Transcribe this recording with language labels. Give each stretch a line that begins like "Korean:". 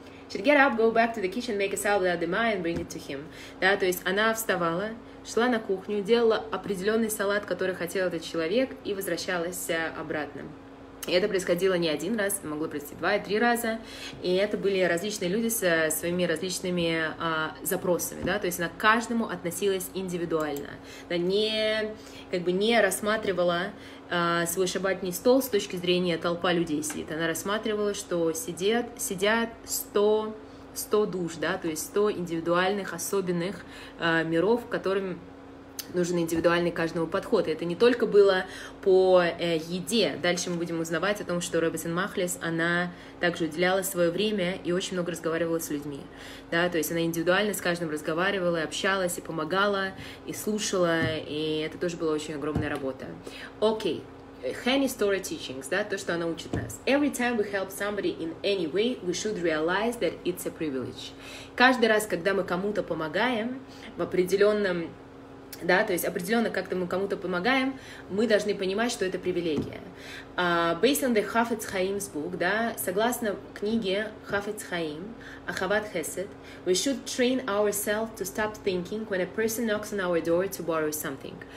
English: She'd get up, go back to the kitchen, make a salad without the mayo and bring it to him.
Russian: Да, то есть она вставала, шла на кухню, делала определенный салат, который хотел этот человек, и возвращалась обратно. И это происходило не один раз, могло произойти два и три раза. И это были различные люди со своими различными запросами, да, то есть она к каждому относилась индивидуально. Она не рассматривала свой шабатный стол с точки зрения толпа людей сидит. Она рассматривала, что сидят 100 душ, да, то есть 100 индивидуальных, особенных миров, которым нужен индивидуальный каждому подход. И это не только было по еде. Дальше мы будем узнавать о том, что Рэббитсон Махлис, она также уделяла свое время и очень много разговаривала с людьми. Да, то есть она индивидуально с каждым разговаривала, общалась и помогала, и слушала, и это тоже была очень огромная работа. Окей. Хэнни
English: story teachings,
Russian: да, то, что она учит нас.
English: Every time we help somebody in any way, we should realize that it's a privilege.
Russian: Каждый раз, когда мы кому-то помогаем в определенном... Да, то есть определенно как-то мы кому-то помогаем, мы должны понимать, что это привилегия.
English: Based on the Хафец Хаим's book,
Russian: да, согласно книге Хафец Хаим, Ахават Хесед,
English: we should train ourselves to stop thinking when a person knocks on our door to borrow something.